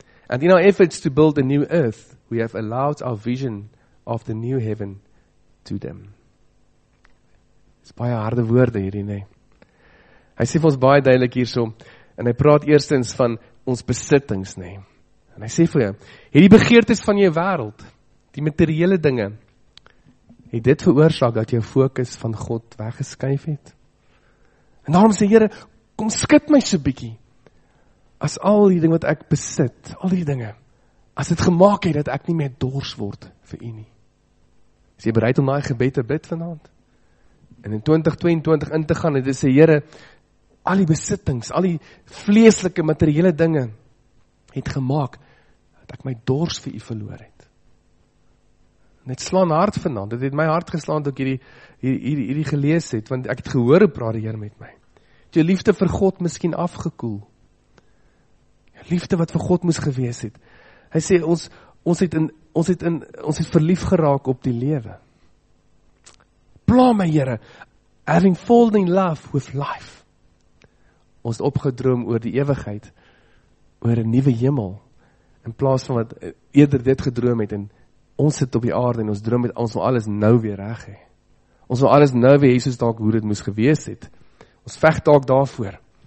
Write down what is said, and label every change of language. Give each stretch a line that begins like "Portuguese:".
English: And in our efforts to build a new earth, we have allowed our vision of the new heaven to dim."
Afrikaans: Dis baie harde woorde hierdie, nee. Hy sê vir ons baie duidelik hierso, en hy praat eerstens van ons besittings, nê. En hy sê vir jou, hierdie begeertes van jou wêreld, die materiële dinge, het dit veroorsaak dat jou fokus van God weggeskuif het? En daarom sê Here, kom skud my so 'n bietjie. As al die ding wat ek besit, al die dinge, as dit gemaak het dat ek nie meer dors word vir U nie. Is jy bereid om daai gebed te bid vanaand? En in 2022 in te gaan en te sê, Here, al die besittings, al die vleeslike materiële dinge het gemaak dat ek my dors vir U verloor het. Net slaan hart vanaand, dit het my hart geslaan toe ek hierdie gelees het, want ek het gehoor hoe praat die Here met my. Het jou liefde vir God miskien afgekoel? Jou liefde wat vir God moes gewees het. Hy sê ons het verlief geraak op die lewe. Pla my Here,
English: having fallen in love with life.
Afrikaans: Ons het opgedroom oor die ewigheid, oor 'n nuwe hemel, in plaas van wat eerder dit gedroom het, en ons sit op die aarde en ons droom het, ons wil alles nou weer reg hê. Ons wil alles nou weer hê soos dalk hoe dit moes gewees het. Ons veg dalk daarvoor.